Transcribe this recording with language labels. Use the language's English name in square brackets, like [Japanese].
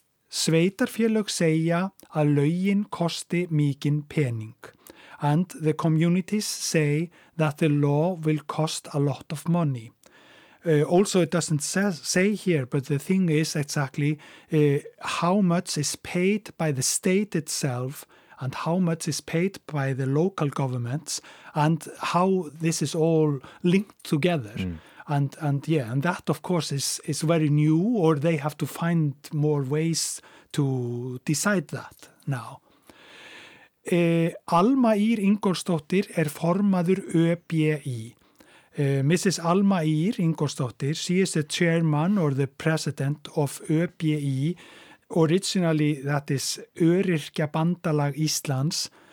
[Icelandic] Sveitarfélög segja að lögin kosti mikinn pening. [English] And the communities say that the law will cost a lot of money. Also, it doesn't say here, but the thing is exactly how much is paid by the state itself and how much is paid by the local governments and how this is all linked together. Mm. And that, of course, is very new, or they have to find more ways to decide that now. [Icelandic] Alma Ýr Ingólfsdóttir er formaður ÖBÍ. [English] Mrs. Alma Ýr Ingólfsdóttir, she is the chairman or the president of ÖBÍ. Originally, that is Öryrkja Bandalag Íslands.